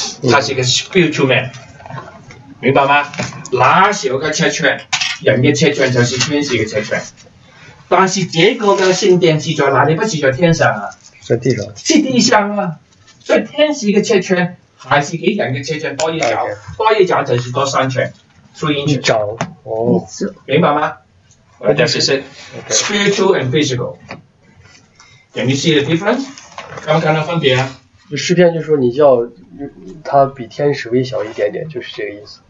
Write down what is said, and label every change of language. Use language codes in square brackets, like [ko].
[zh] 他是个 [en] spiritual man， [zh] 明白吗？那时候的尺寸，人的尺寸就是天使的尺寸。但是这个的圣殿是在哪里？不是在天上啊，在地上。是地上啊，所以天使的尺寸还是比人的尺寸多一脚，多一脚就是多3寸，所以一脚哦，明白吗？我解释是 [en] spiritual and physical。 Can you see the difference？ [zh] 刚刚的分别啊？就诗篇就说你叫他比天使微小一点点，就是这个意思。